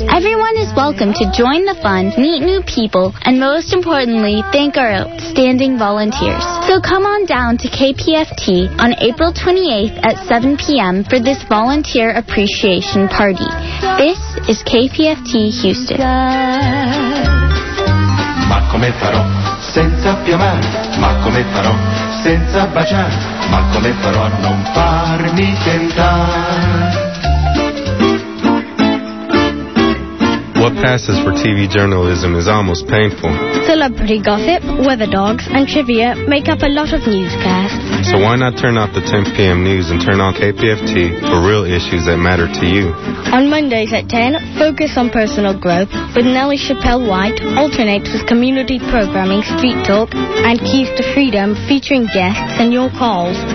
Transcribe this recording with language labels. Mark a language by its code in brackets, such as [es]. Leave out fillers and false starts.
[en] Everyone is welcome to join the fun, meet new people, and most importantly, thank our outstanding volunteers. So come on down to KPFT on April 28th at 7 p.m. for this volunteer appreciation party. This is KPFT Houston. [it] Ma come farò senza più amare? Ma come farò senza baciare? Ma come farò a non farmi tentare? [en] What passes for TV journalism is almost painful. Celebrity gossip, weather dogs, and trivia make up a lot of newscasts. So why not turn off the 10 p.m. news and turn on KPFT for real issues that matter to you? On Mondays at 10, focus on personal growth with Nellie Chappelle White, alternates with community programming, street talk, and Keys to Freedom featuring guests and your calls.